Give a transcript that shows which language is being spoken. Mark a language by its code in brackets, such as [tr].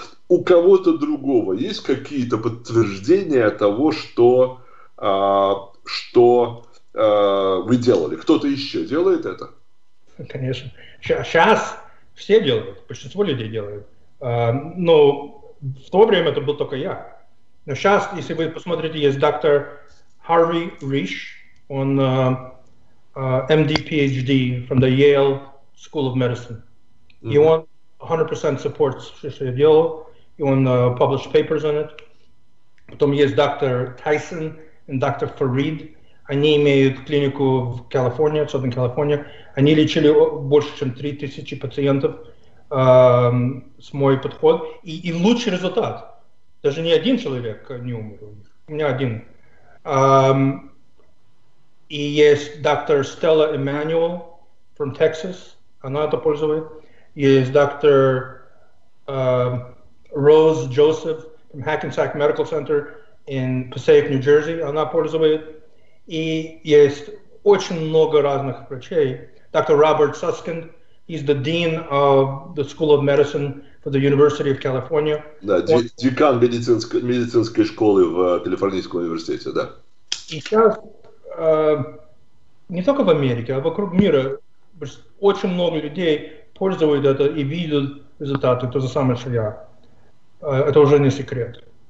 [ru] У кого-то другого есть какие-то подтверждения того, что вы делали? Кто-то еще делает это? Конечно. Сейчас все делают, большинство людей делают. Но в то время это был только я. Но сейчас, если вы посмотрите, есть доктор Харви Риш, он... [en] MD, PhD from the Yale School of Medicine. Mm-hmm. He 100% supports Shishayadiyo. He published papers on it. [ru] Потом есть доктор Тайсон и доктор Фарид. Они имеют клинику в Калифорнии, в Southern California. Они лечили больше, чем 3000 пациентов с моим подходом. И лучший результат. Даже не один человек не умер у них. У меня один. И есть доктор Стелла Эммануэл [en] from Texas, [ru] она это пользует. Есть доктор Rose Joseph [en] from Hackensack Medical Center in Passaic, New Jersey, [ru] она пользует. И есть очень много разных врачей. [en] Доктор Роберт Сускин, he's the dean of the School of Medicine for the University of California. [ru] Да, декан медицинской школы в Калифорнийском университете, да. И сейчас не только в Америке, а вокруг мира очень много людей пользуют это и видят результаты. То же самое, что я. Это уже не секрет.